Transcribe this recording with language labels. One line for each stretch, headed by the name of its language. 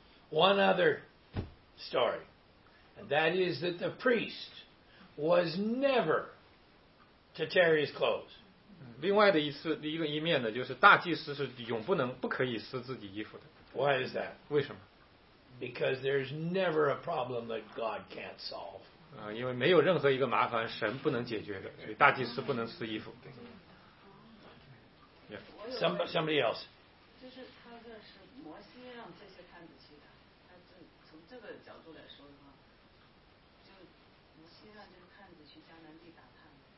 English: One other story, and that is that the priest was never to tear his clothes.
Chinese: 另外的一面呢，就是大祭司是永不可以撕自己衣服的。
English: Why is that?
Chinese: 为什么？
English: Because there's never a problem that God can't solve.
Chinese: 因为没有任何一个麻烦神不能解决的，所以大祭司不能撕衣服。
English: Somebody else.
Chinese: 就是他这是摩西让这些看不起他，他从这个角度来说的话，就摩西让就是看不起迦南地打探。